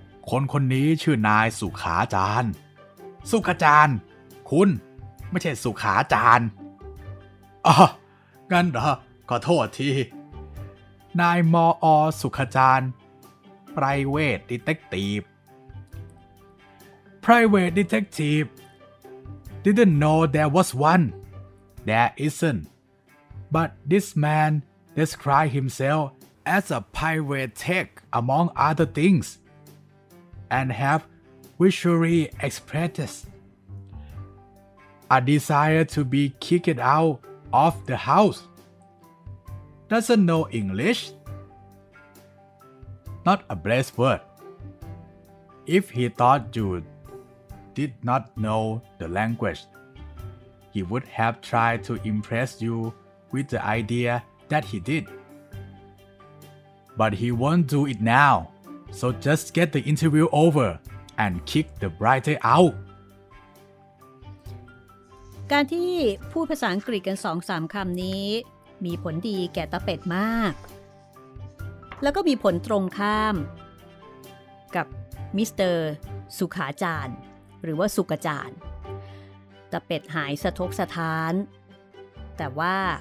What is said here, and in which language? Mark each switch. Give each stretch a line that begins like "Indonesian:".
Thai: คนคนนี้ชื่อนายสุขาจารย์สุขาจารย์คุณไม่ใช่สุขาจารย์อ๋องั้นเหรอขอโทษทีนายมออสุขาจารย์
English: Private Detective Private Detective Didn't know there was one there isn't. But this man describes himself as a pirate tech among other things, and have visually expressed a desire to be kicked out of the house. Doesn't know English? Not a blessed word. If he thought you did not know the language, he would have tried to impress you with the idea that he did. But he won't do it now, so just get the interview over and kick the writer out.
Thai: การที่พูดภาษาอังกฤษกัน 2-3 คำนี้มีผลดีแก่ตะเป็ดมากแล้วก็มีผลตรงข้ามกับมิสเตอร์สุขาจารย์หรือว่าสุกจารย์ตะเป็ดหายสะทกสะท้านแต่ว่า